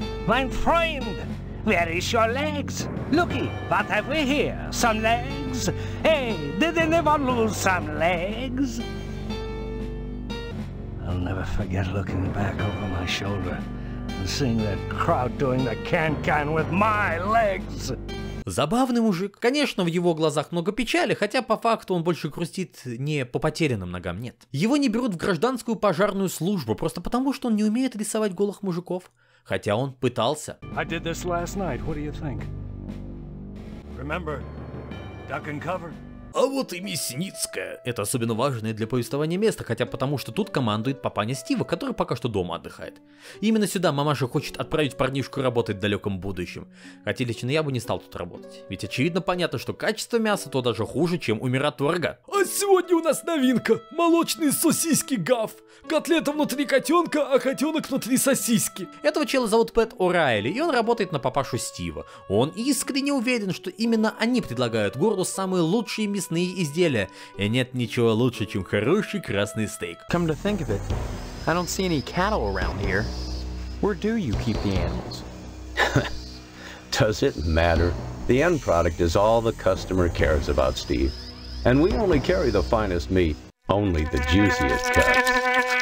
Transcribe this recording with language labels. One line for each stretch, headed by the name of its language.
German: "Mein Freund!
English: Where is your legs? Looky, what have we here? Some legs? Hey, did they never lose some legs?" I'll never forget looking back over my shoulder and seeing that crowd doing the can-can with my legs.
Russian: Забавный мужик. Конечно, в его глазах много печали, хотя по факту он больше грустит не по потерянным ногам, нет. Его не берут в гражданскую пожарную службу просто потому, что он не умеет рисовать голых мужиков. Хотя он пытался.
English: I did this last night. What do you think? Remember, duck and cover.
Russian: А вот и Мясницкая. Это особенно важное для повествования место, хотя потому, что тут командует папаня Стива, который пока что дома отдыхает. И именно сюда мамаша хочет отправить парнишку работать в далеком будущем. Хотя лично я бы не стал тут работать. Ведь очевидно понятно, что качество мяса то даже хуже, чем у Мираторга. А сегодня у нас новинка. Молочный сосиски Гав. Котлета внутри котенка, а котенок внутри сосиски. Этого чела зовут Пэт О'Райли, и он работает на папашу Стива. Он искренне уверен, что именно они предлагают городу самые лучшие мясные изделия. И нет ничего лучше, чем хороший красный стейк.
English: Come to think of it, I don't see any cattle around here. Where do you keep the animals? Does it matter? The end product is all the customer cares about, Steve. And we only carry the finest meat, only the juiciest cuts.